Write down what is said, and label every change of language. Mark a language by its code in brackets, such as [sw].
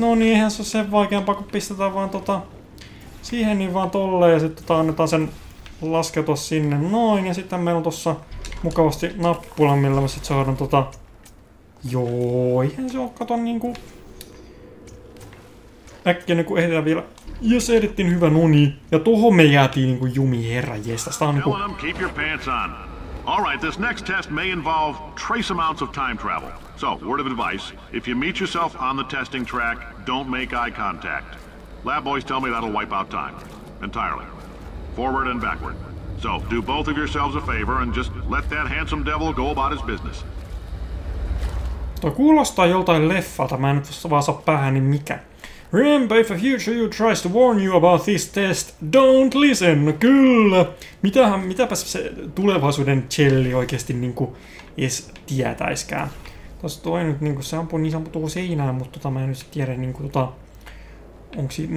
[fi] No niin, eihän se ole sen vaikeampaa, kun pistetään vaan siihen niin vaan tolleen ja sit annetaan sen laskeutua sinne noin. Ja sitten meillä on tossa mukavasti nappula, millä me sit saadaan Joo, eihän se oo kato niinku äkkiä niinku ehditään vielä. Jos ehdittiin hyvä nuni. Ja tuohon me jäätiin niinku jumi, herra jestas. Tää on niinku [en] LM, keep your pants on. Alright, this next test may involve trace amounts of time travel. So, word of advice, if you meet yourself on the testing track, don't make eye contact. Lab boys tell me that'll wipe out time. Entirely. Forward and backward. So, do both of yourselves a favor and just let that handsome devil go about his business. [fi] Toi kuulostaa joltain leffalta, mä en nyt vaan saa päähäni mikä. [en] Remember, if a future you tries to warn you about this test, don't listen. [fi] No kyllä. Mitäpäs se tulevaisuuden chelli oikeesti niinku edes tietäiskään. Tos toi nyt niinku se ampuu niin sanottu tuohon seinään, mutta mä en nyt tiedä niinku onks siinä.